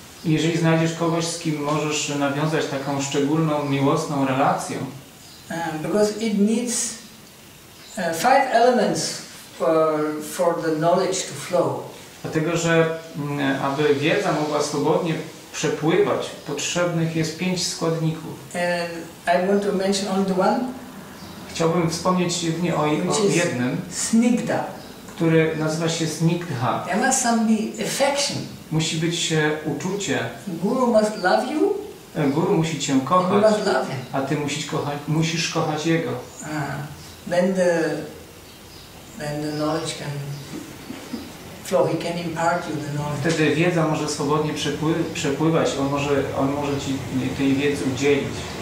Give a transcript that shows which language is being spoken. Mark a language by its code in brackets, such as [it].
[pl] Jeżeli znajdziesz kogoś, z kim możesz nawiązać taką szczególną, miłosną relację. [en] Because it needs five elements for the knowledge to flow. [pl] Dlatego, że aby wiedza mogła swobodnie przepływać, potrzebnych jest pięć składników. [en] And I want to mention only one. [pl] Chciałbym wspomnieć jedynie o jednym. [en] Snigdha. [pl] Który nazywa się Snigdha. [en] There must be affection. [pl] Musi być uczucie. [en] Guru must love you. [pl] Guru musi cię kochać. [en] Must love him. [pl] A ty musisz kochać jego. [en] Then the knowledge can flow. He can impart you the knowledge. [pl] Wtedy wiedza może swobodnie przepływać. On może ci tej wiedzy udzielić.